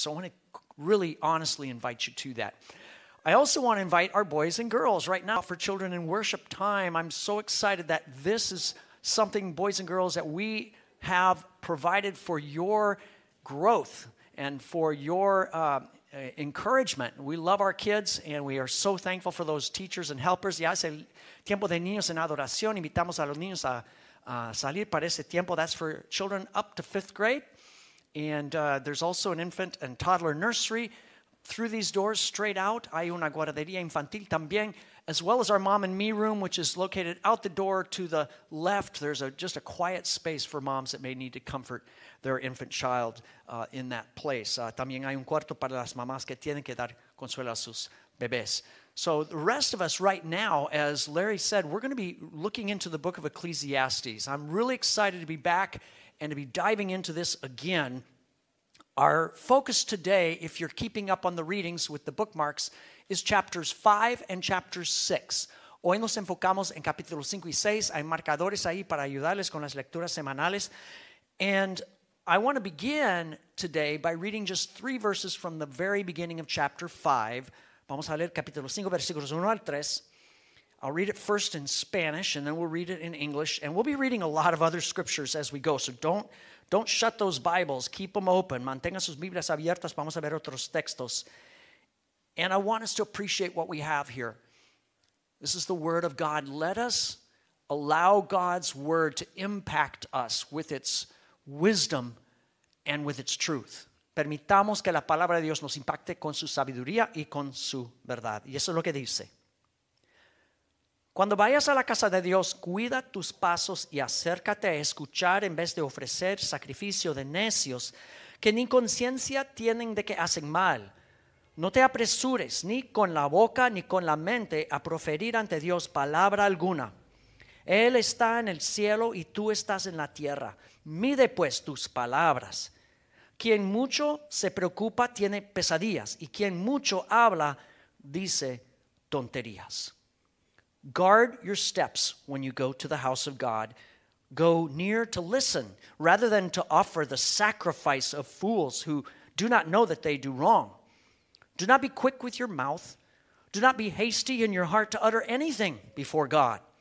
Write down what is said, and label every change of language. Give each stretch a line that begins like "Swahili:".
English: So I want to really honestly invite you to that. I also want to invite our boys and girls right now for children in worship time. I'm so excited that this is something, boys and girls, that we have provided for your growth and for your encouragement. We love our kids, and we are so thankful for those teachers and helpers.
Spanish: Ya es el tiempo de niños en adoración. Invitamos a los niños a salir para ese tiempo.
English: That's for children up to fifth grade. And there's also an infant and toddler nursery through these doors straight out.
Spanish: Hay una guardería infantil también,
English: as well as our mom and me room, which is located out the door to the left. There's just a quiet space for moms that may need to comfort their infant child in that place.
Spanish: También hay un cuarto para las mamás que tienen que dar consuelo a sus bebés.
English: So the rest of us right now, as Larry said, we're going to be looking into the book of Ecclesiastes. I'm really excited to be back and to be diving into this again. Our focus today, if you're keeping up on the readings with the bookmarks, is chapters 5 and chapter 6.
Spanish: Hoy nos enfocamos en capítulos 5 y 6. Hay marcadores ahí para ayudarles con las lecturas semanales.
English: And I want to begin today by reading just 3 verses from the very beginning of chapter 5.
Spanish: Vamos a leer capítulo 5, versículos 1 al 3.
English: I'll read it first in Spanish, and then we'll read it in English. And we'll be reading a lot of other scriptures as we go, so don't shut those Bibles. Keep them open.
Spanish: Mantenga sus Biblias abiertas. Vamos a ver otros textos.
English: And I want us to appreciate what we have here. This is the Word of God. Let us allow God's Word to impact us with its wisdom and with its truth.
Spanish: Permitamos que la palabra de Dios nos impacte con su sabiduría y con su verdad. Y eso es lo que dice. Cuando vayas a la casa de Dios, cuida tus pasos y acércate a escuchar en vez de ofrecer sacrificio de necios que ni conciencia tienen de que hacen mal. No te apresures ni con la boca ni con la mente a proferir ante Dios palabra alguna. Él está en el cielo y tú estás en la tierra. Mide pues tus palabras. Quien mucho se preocupa tiene pesadillas y quien mucho habla dice tonterías.
English: Guard your steps when you go to the house of God. Go near to listen rather than to offer the sacrifice of fools who do not know that they do wrong. Do not be quick with your mouth. Do not be hasty in your heart to utter anything before God.